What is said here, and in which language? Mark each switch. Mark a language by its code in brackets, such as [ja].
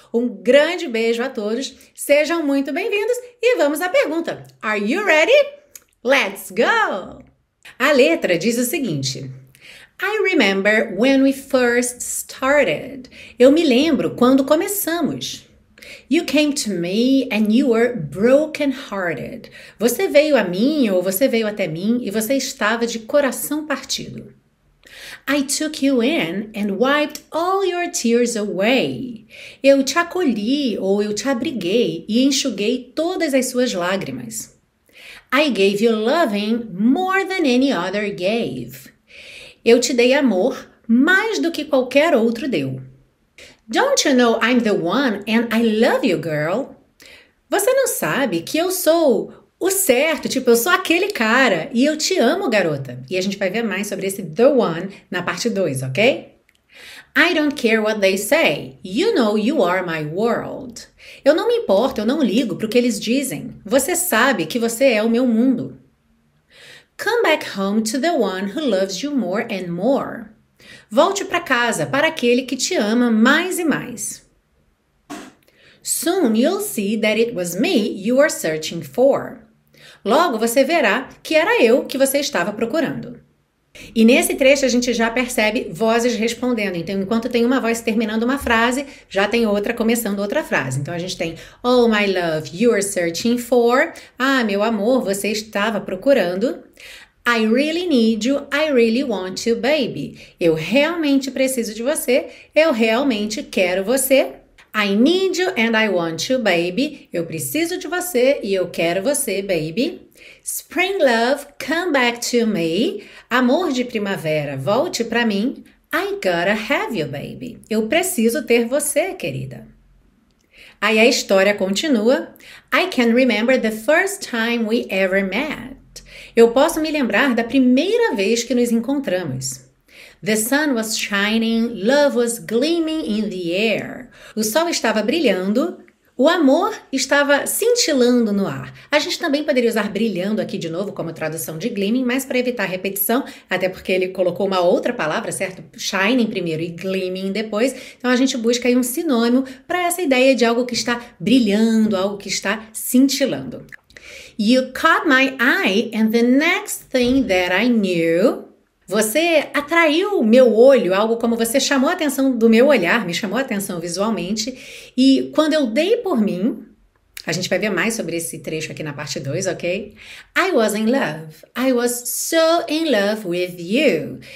[pt] Um grande beijo a todos, sejam muito bem-vindos e vamos à pergunta. [en] Are you ready? Let's go! [pt] A letra diz o seguinte: [en] I remember when we first started. [pt] Eu me lembro quando começamos. [en] You came to me and you were broken-hearted. [pt] Você veio a mim ou você veio até mim e você estava de coração partido. [en] I took you in and wiped all your tears away. [pt] Eu te acolhi ou eu te abriguei e enxuguei todas as suas lágrimas. [en] I gave you loving more than any other gave. [pt] Eu te dei amor mais do que qualquer outro deu. [en] Don't you know I'm the one and I love you, girl? [pt] Você não sabe que eu sou o certo, tipo, eu sou aquele cara e eu te amo, garota. E a gente vai ver mais sobre esse the one na parte 2, ok? [en] I don't care what they say. You know you are my world. [pt] Eu não me importo, eu não ligo pro que eles dizem. Você sabe que você é o meu mundo. [en] Come back home to the one who loves you more and more. [pt] Volte para casa, para aquele que te ama mais e mais. [en] Soon you'll see that it was me you were searching for. [pt] Logo você verá que era eu que você estava procurando. E nesse trecho a gente já percebe vozes respondendo. Então, enquanto tem uma voz terminando uma frase, já tem outra começando outra frase. Então, a gente tem, [en] oh, my love, you are searching for. [pt] Ah, meu amor, você estava procurando. [en] I really need you, I really want you, baby. [pt] Eu realmente preciso de você, eu realmente quero você. [en] I need you and I want you, baby. [pt] Eu preciso de você e eu quero você, baby. [en] Spring love, come back to me. [pt] Amor de primavera, volte pra mim. [en] I gotta have you, baby. [pt] Eu preciso ter você, querida. Aí a história continua. [en] I can remember the first time we ever met. [pt] Eu posso me lembrar da primeira vez que nos encontramos. [en] The sun was shining, love was gleaming in the air. [pt] O sol estava brilhando, o amor estava cintilando no ar. A gente também poderia usar brilhando aqui de novo como tradução de gleaming, mas para evitar repetição, até porque ele colocou uma outra palavra, certo? Shining primeiro e gleaming depois. Então a gente busca aí um sinônimo para essa ideia de algo que está brilhando, algo que está cintilando. [en] You caught my eye and the next thing that I knew... [pt] Você atraiu meu olho, algo como você chamou a atenção do meu olhar, me chamou a atenção visualmente. E quando eu dei por mim, a gente vai ver mais sobre esse trecho aqui na parte 2, ok? [en] I was in love. I was so in love with you.